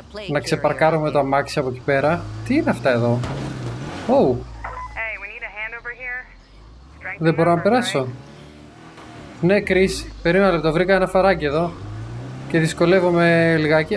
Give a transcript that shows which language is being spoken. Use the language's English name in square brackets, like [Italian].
[Greek] να ξεπαρκάρουμε το αμάξι από εκεί πέρα. Τι είναι αυτά εδώ? Oh. [English] Hey, we need a hand over here. [Greek] Δεν μπορώ να περάσω. Ναι, Chris, περίμενα λεπτό. Βρήκα ένα φαράκι εδώ. Και δυσκολεύομαι λιγάκι.